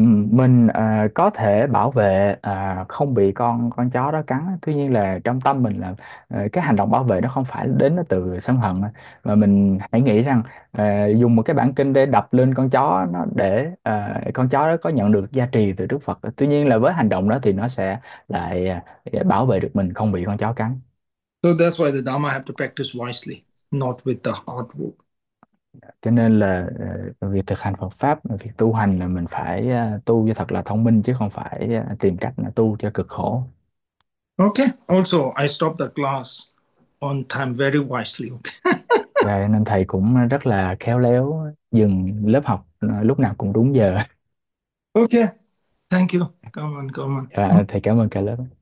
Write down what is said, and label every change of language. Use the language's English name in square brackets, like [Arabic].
[Vietnamese] Mình có thể bảo vệ không bị con chó đó cắn, tuy nhiên là trong tâm mình là cái hành động bảo vệ nó không phải đến từ sân hận, mà mình hãy nghĩ rằng dùng một cái bản kinh để đập lên con chó nó, để con chó đó có nhận được gia trì từ Đức Phật. Tuy nhiên là với hành động đó thì nó sẽ lại bảo vệ được mình không bị con chó cắn. [English] So that's why the Dharma have to practice wisely, not with the hard work. [Vietnamese] Cho nên là việc thực hành Phật pháp, việc tu hành là mình phải tu cho thật là thông minh, chứ không phải tìm cách là tu cho cực khổ. [English] Okay, also I stopped the class on time very wisely. Okay. [Vietnamese] Và nên thầy cũng rất là khéo léo dừng lớp học lúc nào cũng đúng giờ. [English] Okay, thank you. Come on, come on. [Vietnamese] Và thầy cảm ơn cả lớp. [English] Thank